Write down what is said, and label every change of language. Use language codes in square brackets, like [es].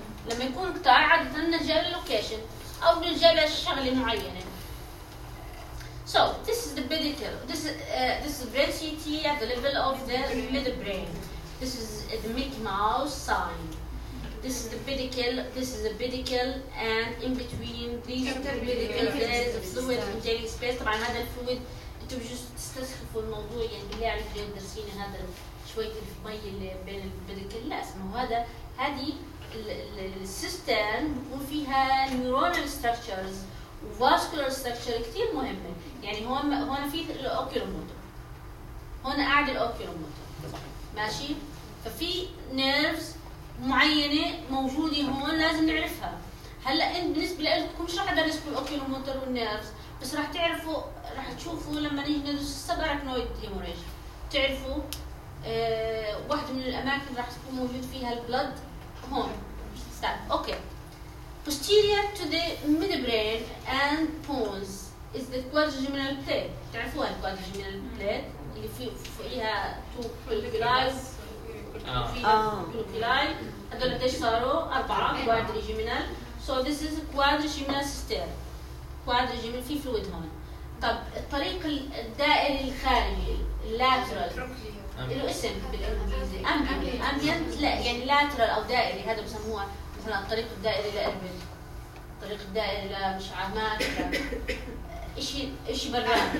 [ar] لما يكون كتار عادة نرجع للوكيشن او بنرجع لشغلة معينة. [en] So this is the pedicle. This is brain CT at the level of the midbrain. This is the Mickey Mouse sign. This is the pedicle. This is the pedicle, and in between these two pedicles, there is a fluid containing space. [ar] طبعاً هذا الفلويد أنتم just تستخفوا الموضوع يعني اللي عارف اليوم درسينا هذا شوية المي اللي بين البيديكل. لا اسمه هذا هذه السيستم بيكون فيها neuronal structures وvascular structure كتير مهمة. يعني هون في الأوكيلوموتور. هون قاعد الأوكيلوموتور. ماشي. ففي nerves معينة موجودة هون لازم نعرفها. هلا انت بالنسبة لكم مش راح ادرسكم الاوكيلوموتر والنيرفز، بس راح تعرفوا راح تشوفوا لما نيجي ندرس السبراكنويد هيموريج تعرفوا واحدة من الاماكن راح تكون موجود فيها البلد هون. اوكي. [en] Posterior to the midbrain and pons is the quadrigeminal plate. [ar] تعرفوها الquadrigeminal plate اللي فيها تو كلوبيلايز. هذول قديش صاروا؟ أربعة كوادريجيمينال. [en] So this is quadrigeminal cistern. [ar] كوادريجيمينال في فلويد هون. طب الطريق الدائري الخارجي اللاترال له اسم بالانجليزي امبيانت. لا يعني لاترال او دائري هذا بسموه مثلا الطريق الدائري لأربد الطريق الدائري لمش عمال اشي برا.